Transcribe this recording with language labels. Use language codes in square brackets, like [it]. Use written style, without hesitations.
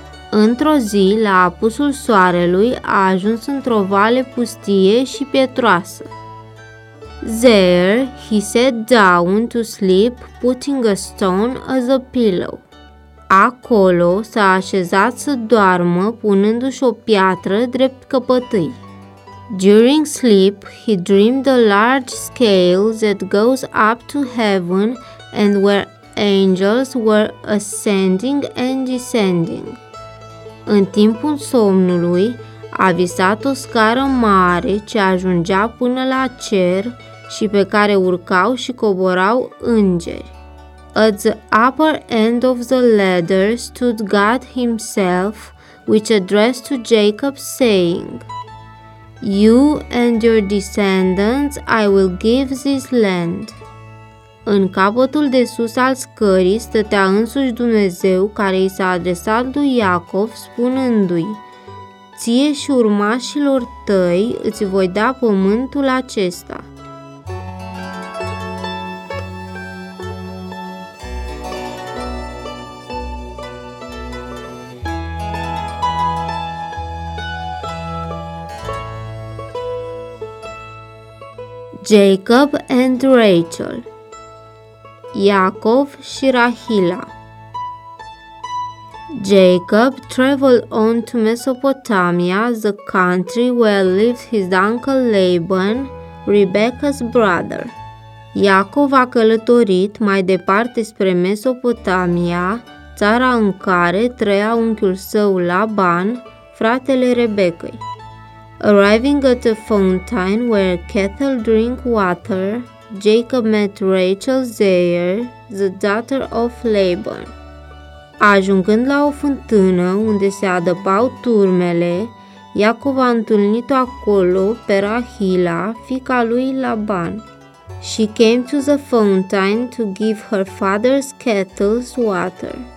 [ro] Într-o zi, la apusul soarelui, a ajuns într-o vale pustie și pietroasă. [en] There, he sat down to sleep, putting a stone as a pillow. [ro] Acolo, s-a așezat să doarmă, punându-și o piatră drept căpătâi. [en] During sleep, he dreamed a large scale that goes up to heaven and where angels were ascending and descending. [ro] În timpul somnului, a visat o scară mare ce ajungea până la cer și pe care urcau și coborau îngeri. [en] At the upper end of the ladder stood God himself, which addressed to Jacob, saying, You and your descendants, I will give this land. [ro] În capătul de sus al scării stătea însuși Dumnezeu care i s-a adresat lui Iacov spunându-i, Ție și urmașilor tăi îți voi da pământul acesta. [en] Jacob and Rachel. [ro] Iacov și Rahila. [en] Jacob traveled on to Mesopotamia, the country where lived his uncle Laban, Rebecca's brother. [ro] Iacov a călătorit mai departe spre Mesopotamia, țara în care trăia unchiul său Laban, fratele Rebecca. [en] Arriving at a fountain where cattle drink water, Jacob met Rachel there, the daughter of Laban. [ro] Ajungând la o fântână unde se adăpau turmele, Iacov a întâlnit-o acolo pe Rahila, fiica lui Laban. [en] She came to the fountain to give her father's cattle's water.